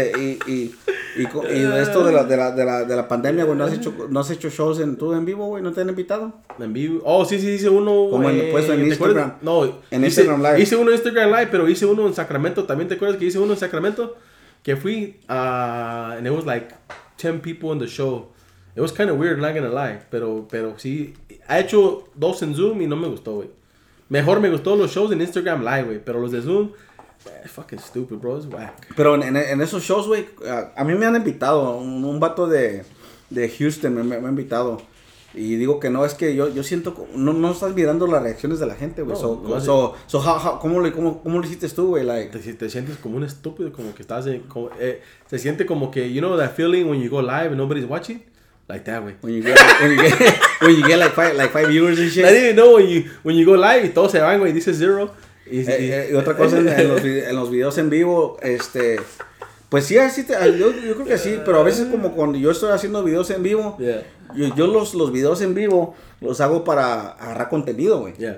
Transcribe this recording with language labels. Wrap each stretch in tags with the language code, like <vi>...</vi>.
<es>y de esto de la pandemia, güey, ¿no has hecho shows tú en vivo, güey? ¿No te han invitado? En vivo, oh, sí, hice uno, güey. ¿Cómo puesto en Instagram? No, en Instagram Live. Hice uno en Instagram Live, pero hice uno en Sacramento, ¿también te acuerdas que hice uno en Sacramento? Que fui,</es> <en>and it was like 10 people in the show. It was kind of weird, not gonna lie.</en> <es>Pero sí, he hecho 2 en Zoom y no me gustó, güey. Mejor me gustó los shows en Instagram Live, güey. Pero los de Zoom,</es> <en>fucking stupid, bro. It's whack.</en> <es>Pero en esos shows, güey, a mí me han invitado. Un vato de Houston me ha invitado. Y digo que no, es que yo siento... No estás mirando las reacciones de la gente, güey. ¿Cómo lo hiciste tú, güey? Like, te sientes como un estúpido, como que estás... se siente como que...</es> <en>You know that feeling when you go live and nobody's watching? Like that, güey. When you get like five viewers and shit. I didn't know when you go live</en> <es>y todos se van, güey. Dices</es> <en>zero.</en> <es>Y otra cosa, en los videos en vivo, Pues sí, así te, yo creo que sí, pero a veces como cuando yo estoy haciendo videos en vivo, yo los videos en vivo los hago para agarrar contenido, güey.</es>